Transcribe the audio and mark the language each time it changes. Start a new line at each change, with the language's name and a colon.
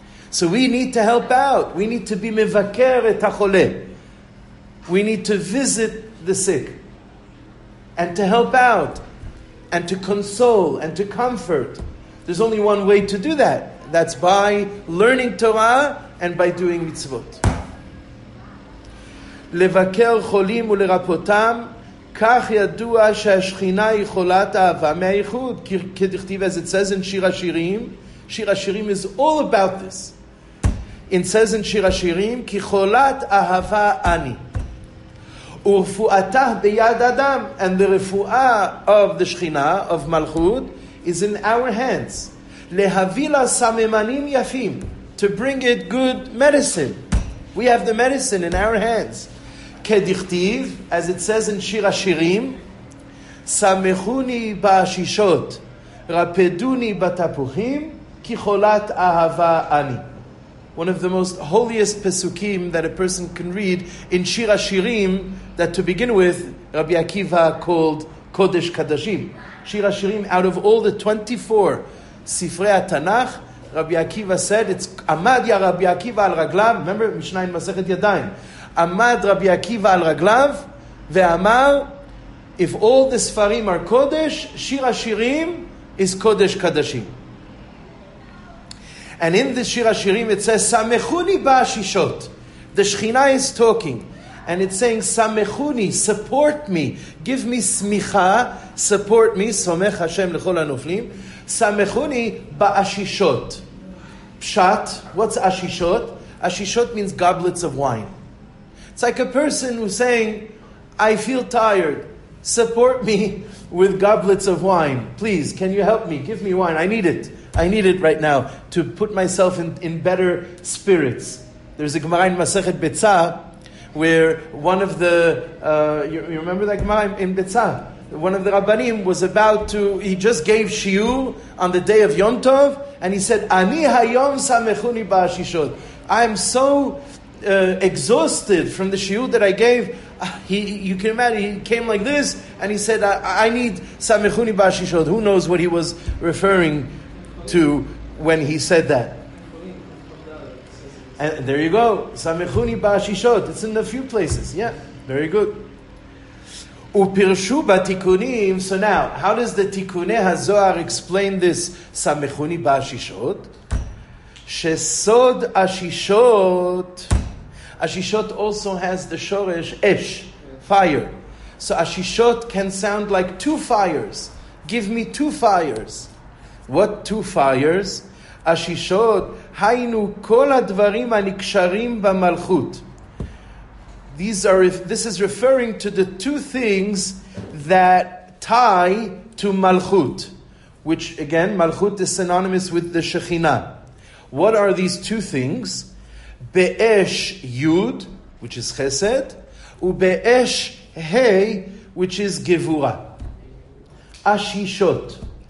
English: So we need to help out. We need to be mevaker et hachole. We need to visit the sick. And to help out. And to console. And to comfort. There's only one way to do that. That's by learning Torah and by doing mitzvot.
Hebrew: לבקר חולים ולרפותם, כך ידוע שהשכינה היא חולת אהבה מהייחוד.
English: כדכתיב, as it says in שיר השירים, שיר השירים is all about this. It says in שיר השירים, כי חולת אהבה אני, ורפואתה ביד אדם, and the רפואה of the שכינה, of מלכות, is in our hands. להביא לה סממנים יפים, to bring it good medicine. We have the medicine in our hands.
Hebrew: כדכתיב, as it says in שיר השירים, סמכוני בשישות, רפדוני בתפוחים, כי חולת אהבה אני.
English: One of the most holiest pesukim that a person can read in שיר השירים, that to begin with, Rabbi Akiva called Kodesh Kadashim. שיר השירים, out of all the 24 ספרי התנ"ך, Rabbi Akiva said, it's עמד יא Rabbi Akiva על רגליו, remember, משנה מסכת ידיים, עמד Rabbi Akiva על רגליו, ואמר, if all the ספרים are Kodesh, שיר השירים is Kodesh Kadashim. And in the שיר השירים it says, סמכוני בשישות. The שכינה is talking. And it's saying, סמכוני, support me. Give me סמיכה, support me, סומך השם לכל הנופלים. סמכוני באשישות. פשט, what's אשישות? אשישות means goblets of wine. It's like a person who's saying, I feel tired. Support me with goblets of wine. Please, can you help me? Give me wine. I need it. I need it right now to put myself in better spirits. There's a Gemara in Masechet Betzah where one of the, you remember that Gemara in Betzah? One of the Rabbanim was about to, he just gave shiur on the day of Yom Tov, and he said, Ani hayom samechuni ba'ashishot. I'm so exhausted from the shiur that I gave. You can imagine, he came like this, and he said, I need samechuni ba'ashishot. Who knows what he was referring to when he said that. And there you go. Samechuni ba'ashishot. It's in a few places. Yeah, very good. ופרשו בתיקונים, so now, how does the תיקוני הזוהר explain this סמכוני באשישות?
Hebrew: שסוד אשישות, אשישות also has the שורש אש, fire.
English: So אשישות can sound like two fires. Give me two fires. What two fires?
Hebrew: אשישות, היינו כל הדברים הנקשרים במלכות.
English: This is referring to the two things that tie to Malchut, which again, Malchut is synonymous with the Shekhinah. What are these two things? Be'esh Yud, which is Chesed, u'be'esh Hey, which is Gevurah. Ashishot.